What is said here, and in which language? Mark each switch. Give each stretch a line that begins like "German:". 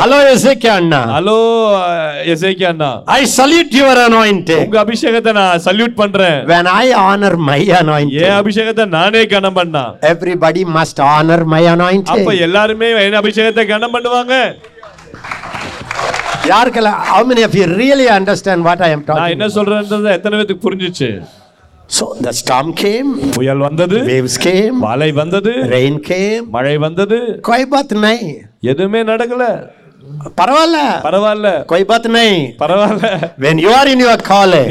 Tamil: Hello Hezekiah Anna. Hello Hezekiah Anna.
English: I salute your anointing.
Tamil: உங்க அபிஷேகத்தை நான் salute பண்றேன்.
English: When I honor my anointing.
Tamil: ஏ அபிஷேகத்தை நானே கணம் பண்ணா.
English: Everybody must honor my anointing.
Tamil: அப்ப எல்லாரும் என் அபிஷேகத்தை கணம் பண்ணுவாங்க. யாருக்கெல்லாம்?
English: How many of you really understand what I am talking about?
Tamil: நான் என்ன சொல்றேன்றது எத்தனை பேருக்கு புரிஞ்சிச்சு?
English: So the storm came,
Tamil: புயல் வந்தது,
English: waves came,
Tamil: மழை வந்தது,
English: rain came,
Tamil: மழை வந்தது,
Hindi: கோய்பாத் நை
Tamil: எதுமே நடக்கல. பரவாயில்ல
Hindi: கோய்பாத் நை
Tamil: பரவாயில்ல.
English: When you are in your calling,